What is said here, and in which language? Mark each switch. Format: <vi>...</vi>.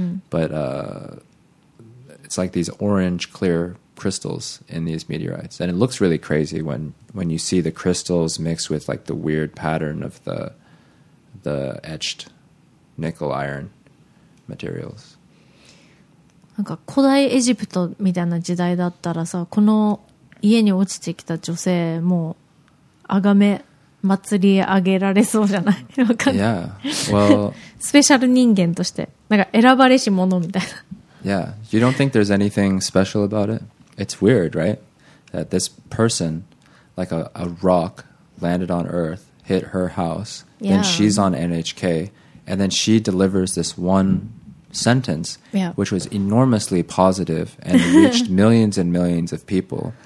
<en>But it's like these orange clear crystals in these meteorites. And it looks really crazy when you see the crystals mixed with like the weird pattern of the etched nickel iron. Materials.</en> <ja>なんか古代エジプトみたいな時代だったらさ、この家に落ちてきた女性もう崇め祭り上げられそうじゃない？わかんない。</ja> <en>Yeah. Well,</en> <ja>スペシャル人間としてなんか選ばれし者みたいな。</ja> <en>Yeah, you don't think there's anything special about it? It's weird, right? That this person, like a rock, landed on Earth, hit her house, then she's on NHK. And then she delivers this one sentence, which was enormously positive and reached millions and millions of people.</en>